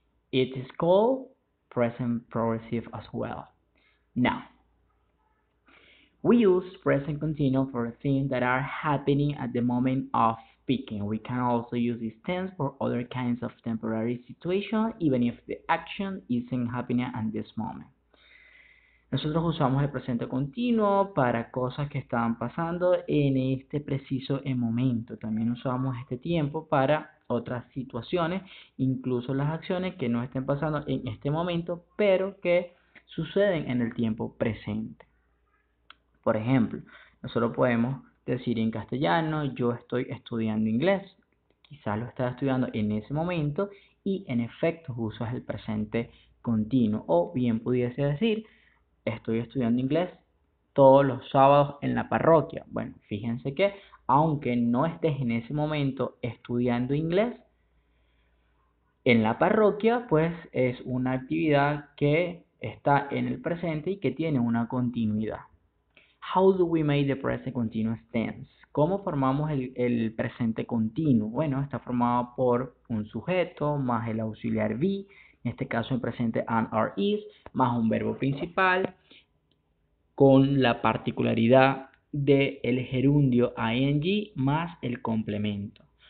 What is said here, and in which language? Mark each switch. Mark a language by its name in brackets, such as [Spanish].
[English] It is called present progressive as well. Now, we use present continuous for things that are happening at the moment of speaking. We can also use this tense for other kinds of temporary situations, even if the action isn't happening at this moment. [Spanish] Nosotros usamos el presente continuo para cosas que están pasando en este preciso momento. También usamos este tiempo para otras situaciones, incluso las acciones que no estén pasando en este momento, pero que suceden en el tiempo presente. Por ejemplo, nosotros podemos decir en castellano, yo estoy estudiando inglés. Quizás lo estás estudiando en ese momento y en efecto usas el presente continuo. O bien pudiese decir, estoy estudiando inglés todos los sábados en la parroquia. Bueno, fíjense que aunque no estés en ese momento estudiando inglés en la parroquia, pues es una actividad que está en el presente y que tiene una continuidad. [English] How do we make the present continuous tense? [Spanish] ¿Cómo formamos el presente continuo? Bueno, está formado por un sujeto más el auxiliar be. En este caso el presente am, are, is, más un verbo principal con la particularidad del gerundio ing más el complemento.